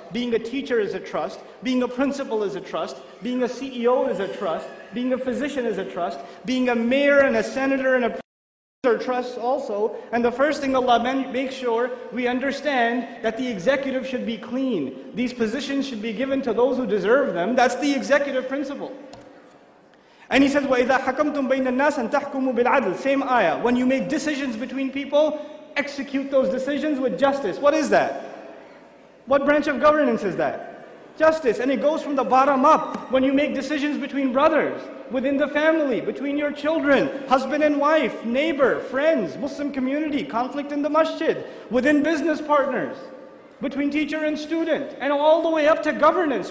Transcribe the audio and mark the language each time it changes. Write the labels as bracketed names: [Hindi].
[English] Being a teacher is a trust. Being a principal is a trust. Being a CEO is a trust. Being a physician is a trust. Being a mayor and a senator and a president are trusts also. And the first thing Allah makes sure we understand that the executive should be clean. These positions should be given to those who deserve them. That's the executive principle. And he says, [Arabic] وَإِذَا حَكَمْتُمْ بَيْنَ النَّاسِ أَن تَحْكُمُوا بِالْعَدْلِ. [English] Same ayah. When you make decisions between people, execute those decisions with justice. What is that? What branch of governance is that? Justice. And it goes from the bottom up. When you make decisions between brothers, within the family, between your children, husband and wife, neighbor, friends, Muslim community, conflict in the masjid, within business partners, between teacher and student, and all the way up to governance.